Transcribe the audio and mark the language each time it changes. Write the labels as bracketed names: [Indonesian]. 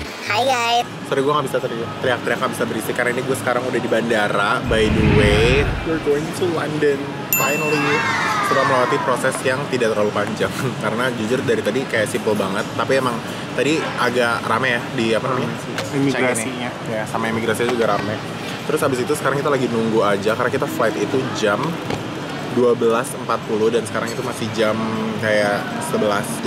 [Indonesian] Hai guys. Sorry gue gak bisa teriak-teriak, gak bisa berisik. Karena ini gue sekarang udah di bandara. [English] By the way, we're going to London. Finally. [Indonesian] Setelah melewati proses yang tidak terlalu panjang. Karena jujur dari tadi kayak simple banget. Tapi emang tadi agak rame ya di apa namanya? Imigrasinya. Ya, sama imigrasinya juga rame. Terus habis itu sekarang kita lagi nunggu aja karena kita flight itu jam 12.40 dan sekarang itu masih jam kayak 11.